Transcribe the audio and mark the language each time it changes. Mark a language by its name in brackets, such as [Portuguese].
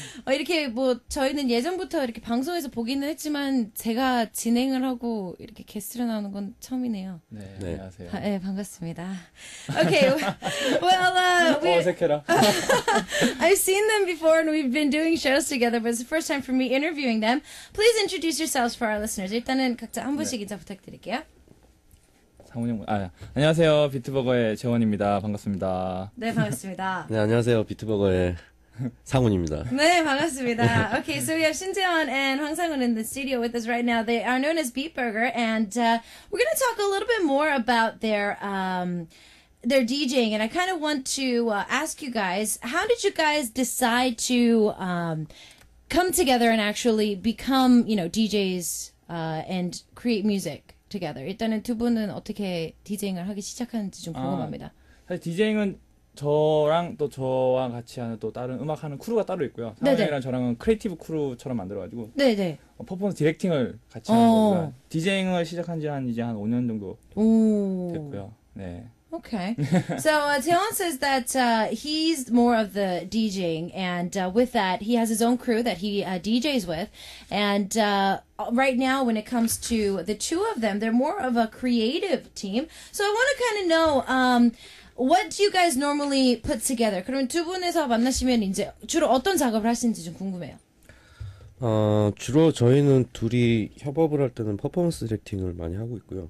[Korean] 이렇게 뭐 저희는 예전부터 이렇게 방송에서 보기는 했지만 제가 진행을 하고 이렇게 게스트로 나오는 건 처음이네요. 네, 네. 안녕하세요. 네, 반갑습니다. [English] Okay, well, [Korean] we 어색해라. [English] I've seen them before and we've been doing shows together, but it's the first time for me interviewing them. Please introduce yourselves for our listeners. [Korean] 일단은 각자 한 분씩 인사 부탁드릴게요. 상훈형, 아, 안녕하세요. 비트버거의 재원입니다. 반갑습니다. 네, 반갑습니다. 네, 안녕하세요. 비트버거의 상훈입니다. 네, 반갑습니다. [English] Okay, so we have 신재원 and 황상훈 in the studio with us right now. They are known as Beatburger, and we're going to talk a little bit more about their DJing, and I kind of want to ask you guys, how did you guys decide to come together and actually become, you know, DJs and create music together? [Korean] 일단은 두 분은 어떻게 DJing을 하기 시작하는지 좀 궁금합니다. 사실 DJing은 저랑 또 저와 같이 하는 또 다른 음악하는 크루가 따로 있고요. 상훈이랑 저랑은 크리에이티브 크루처럼 만들어가지고 네네. 퍼포먼스 디렉팅을 같이 하는 거고요. DJing을 시작한 지 한 이제 한 5년 정도 됐고요. 네. [English] Okay. So, Taeyeon says that he's more of the DJing, and with that, he has his own crew that he DJs with. And right now, when it comes to the two of them, they're more of a creative team. So, I want to kind of know, what do you guys normally put together? [Korean] 그러면 두 분에서 만나시면 이제 주로 어떤 작업을 하시는지 좀 궁금해요. 주로 저희는 둘이 협업을 할 때는 퍼포먼스 디렉팅을 많이 하고 있고요.